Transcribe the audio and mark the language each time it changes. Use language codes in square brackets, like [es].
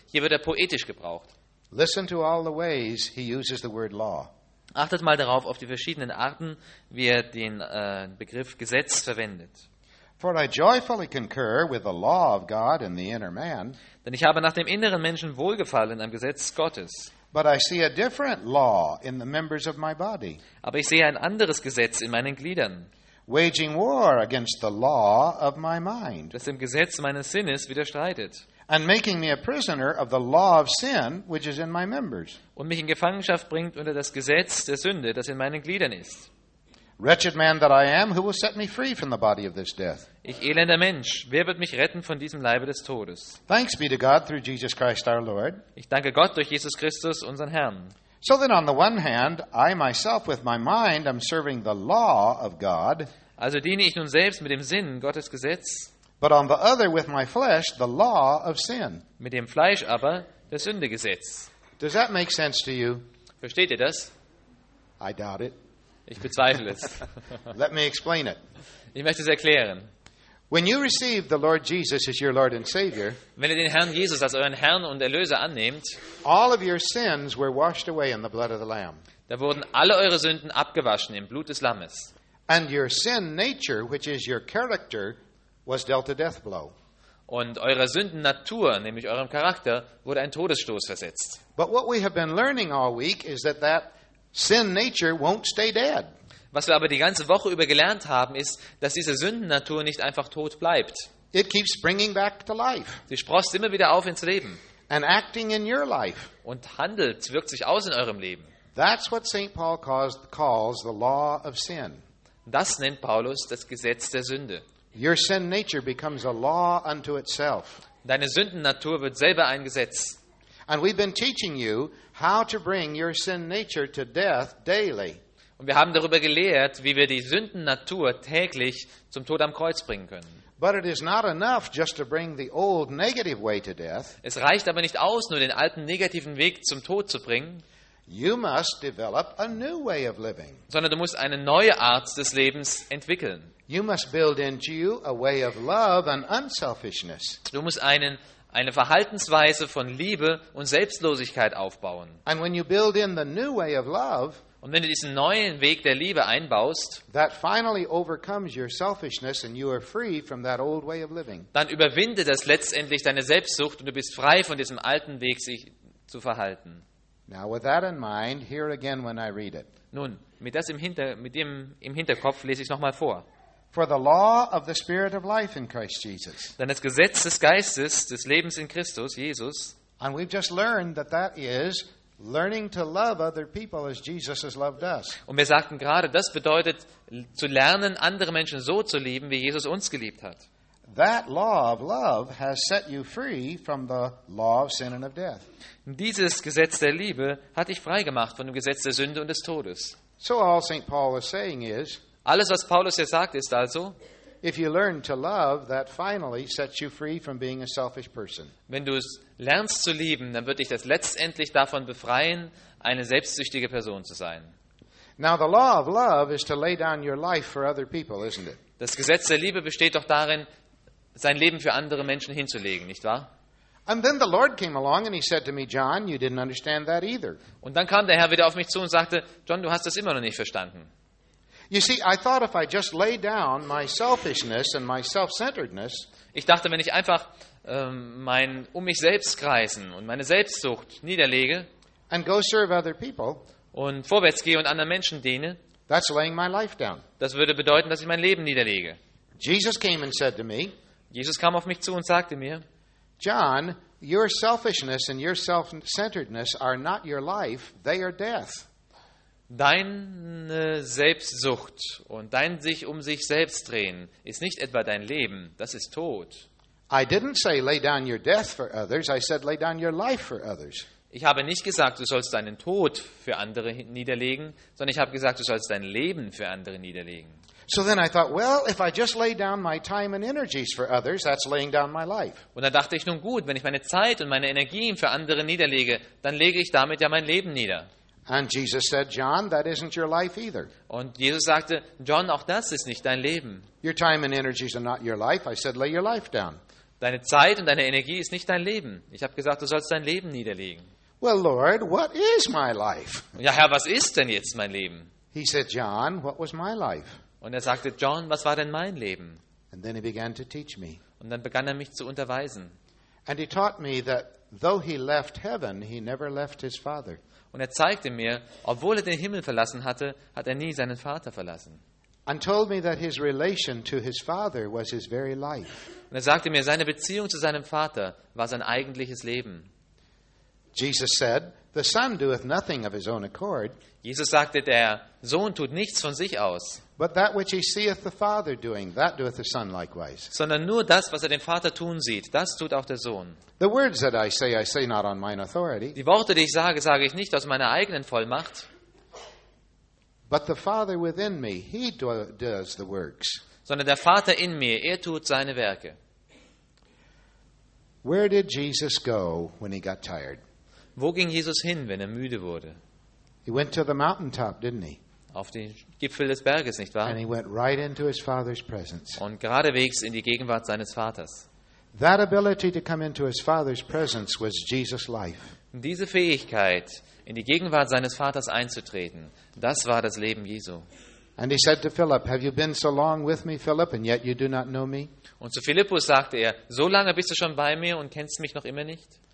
[de] Hier wird er poetisch gebraucht. [en] Listen to all the ways he uses the word law. [de] Achtet mal darauf, auf die verschiedenen Arten, wie er den Begriff Gesetz verwendet. [en] For I joyfully concur with the law of God in the inner man. [de] Denn ich habe nach dem inneren Menschen Wohlgefallen am Gesetz Gottes. [en] But I see a different law in the members of my body. [de] Aber ich sehe ein anderes Gesetz in meinen Gliedern. [en] Waging war against the law of my mind. [de] Das dem Gesetz meines Sinnes widerstreitet. [en] And making me a prisoner of the law of sin, which is in my members. [de] Und mich in Gefangenschaft bringt unter das Gesetz der Sünde, das in meinen Gliedern ist. [en] Wretched man that I am, who will set me free from the body of this death? [de] Ich elender Mensch, wer wird mich retten von diesem Leibe des Todes? [en] Thanks be to God through Jesus Christ our Lord. [de] Ich danke Gott durch Jesus Christus unseren Herrn. [en] So then, on the one hand, I myself with my mind am serving the law of God. [de] Also diene ich nun selbst mit dem Sinn Gottes Gesetz. [en] But on the other, with my flesh, the law of sin. [de] Mit dem Fleisch aber das Sündegesetz. [en] Does that make sense to you? [de] Versteht ihr das? [en] I doubt it. [de] Ich bezweifle es. [en] Let me explain it. [de] Ich möchte es erklären. [en] When you receive the Lord Jesus as your Lord and Savior, [de] wenn ihr den Herrn Jesus als euren Herrn und Erlöser annehmt, [en] all of your sins were washed away in the blood of the Lamb. [de] Da wurden alle eure Sünden abgewaschen im Blut des Lammes. [en] And your sin nature, which is your character, was dealt a death blow. [de] Und eurer Sündennatur, nämlich eurem Charakter, wurde ein Todesstoß versetzt. [en] But what we have been learning all week is that that sin nature won't stay dead. [de] Was wir aber die ganze Woche über gelernt haben, ist, dass diese Sündennatur nicht einfach tot bleibt. [en] It keeps bringing back to life. [de] Sie sprost immer wieder auf ins Leben. [en] And acting in your life. [de] Und handelt, wirkt sich aus in eurem Leben. [en] That's what St. Paul calls the law of sin. [de] Das nennt Paulus das Gesetz der Sünde. [en] Your sin nature becomes a law unto itself. [de] Deine Sündennatur wird selber ein Gesetz. [en] And we've been teaching you how to bring your sin nature to death daily. [de] Und wir haben darüber gelehrt, wie wir die Sündennatur täglich zum Tod am Kreuz bringen können. [en] But it is not enough just to bring the old negative way to death. [de] Es reicht aber nicht aus, nur den alten negativen Weg zum Tod zu bringen. [en] You must develop a new way of living. [de] Sondern du musst eine neue Art des Lebens entwickeln. [en] You must build into you a way of love and unselfishness. [de] Du musst eine Verhaltensweise von Liebe und Selbstlosigkeit aufbauen. [en] And when you build in the new way of love, [de] und wenn du diesen neuen Weg der Liebe einbaust, [en] that finally overcomes your selfishness and you are free from that old way of living. [de] Dann überwindet das letztendlich deine Selbstsucht und du bist frei von diesem alten Weg sich zu verhalten. [en] Now with that in mind, hear again when I read it. [de] Nun, mit dem im Hinterkopf lese ich noch mal vor. [en] For the law of the Spirit of life in Christ Jesus. [de] Denn das Gesetz des Geistes des Lebens in Christus Jesus. [en] And we've just learned that that is learning to love other people as Jesus has loved us. [de] Und wir sagten gerade, das bedeutet zu lernen, andere Menschen so zu lieben, wie Jesus uns geliebt hat. [en] That law of love has set you free from the law of sin and of death. [de] Dieses Gesetz der Liebe hat dich freigemacht von dem Gesetz der Sünde und des Todes. [en] So all St. Paul is saying is. [de] Alles, was Paulus hier sagt, ist also, [en] if you learn to love, that finally sets you free from being a selfish person. [de] Wenn du es lernst zu lieben, dann wird dich das letztendlich davon befreien, eine selbstsüchtige Person zu sein. [en] Now the law of love is to lay down your life for other people, isn't it? [de] Das Gesetz der Liebe besteht doch darin, sein Leben für andere Menschen hinzulegen, nicht wahr? [en] And then the Lord came along and he said to me, John, you didn't understand that either. [de] Und dann kam der Herr wieder auf mich zu und sagte, John, du hast das immer noch nicht verstanden. [en] You see, I thought if I just lay down my selfishness and my self-centeredness, [de] ich dachte, wenn ich einfach mein um mich selbst kreisen und meine Selbstsucht niederlege [en] and go serve other people, [de] und vorwärts gehe und anderen Menschen diene, [en] that's laying my life down. [de] Das würde bedeuten, dass ich mein Leben niederlege. [en] Jesus came and said to me, [de] Jesus kam auf mich zu und sagte mir, [en] John, your selfishness and your self-centeredness are not your life, they are death. [de] Deine Selbstsucht und dein sich um sich selbst drehen ist nicht etwa dein Leben, das ist Tod. [en] I didn't say lay down your death for others, I said lay down your life for others. [de] Ich habe nicht gesagt, du sollst deinen Tod für andere niederlegen, sondern ich habe gesagt, du sollst dein Leben für andere niederlegen. [en] So then I thought, well, if I just lay down my time and energies for others, that's laying down my life. [de] Und da dachte ich, nun gut, wenn ich meine Zeit und meine Energien für andere niederlege, dann lege ich damit ja mein Leben nieder. [en] And Jesus said, John, that isn't your life either. [de] Und Jesus sagte, John, auch das ist nicht dein Leben. [en] Your time and energies are not your life. I said, lay your life down. [de] Deine Zeit und deine Energie ist nicht dein Leben. Ich habe gesagt, du sollst dein Leben niederlegen. [en] Well, Lord, what is my life? [de] Ja, Herr, was ist denn jetzt mein Leben? [en] He said, John, what was my life? [de] Und er sagte, John, was war denn mein Leben? [en] And then he began to teach me. [de] Und dann begann er mich zu unterweisen. [en] And he taught me that though he left heaven, he never left his father. [de] Und er zeigte mir, obwohl er den Himmel verlassen hatte, hat er nie seinen Vater verlassen. [en] And told me that his relation to his father was his very life. [de] Und er sagte mir, seine Beziehung zu seinem Vater war sein eigentliches Leben. [en] Jesus said, the son doeth nothing of his own accord. [de] Jesus sagte, der Sohn tut nichts von sich aus. [en] But that which he seeth the father doing, that doeth the son likewise. [de] Sondern nur das, was er den Vater tun sieht, das tut auch der Sohn. [en] The words that I say not on mine authority. [de] Die Worte, die ich sage, sage ich nicht aus meiner eigenen Vollmacht. [en] But the father within me, he does the works. [de] Sondern der Vater in mir, er tut seine Werke. [en] Where did Jesus go when he got tired? [de] Wo ging Jesus hin, wenn er müde wurde? [en] He went to the mountaintop, didn't he? [de] Auf den Gipfel des Berges, nicht wahr? [en] And he went right into his father's presence. [de] Und geradewegs in die Gegenwart seines Vaters. [en] That ability to come into his father's presence was Jesus' life. [de] Diese Fähigkeit, in die Gegenwart seines Vaters einzutreten, das war das Leben Jesu. [en] And he said to Philip, have you been so long with me, Philip, and yet you do not know me? [de] Und zu Philippus sagte er, so lange bist du schon bei mir und kennst mich noch immer nicht?